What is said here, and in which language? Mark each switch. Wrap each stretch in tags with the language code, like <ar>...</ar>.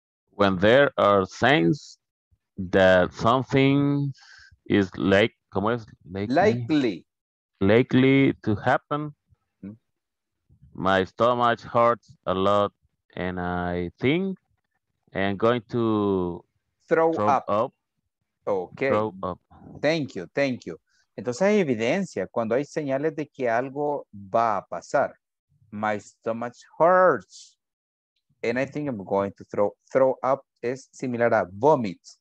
<en>When there are signs that something is like,</en> <es>¿cómo es?</es> <en>Likely. Likely to happen. My stomach hurts a lot and I think I'm going to throw up. Okay. Throw up. Thank you, thank you.</en> <es>Entonces hay evidencia cuando hay señales de que algo va a pasar.</es> <en>My stomach hurts and I think I'm going to throw up</en> <es>es similar a</es> <en>vomit.</en>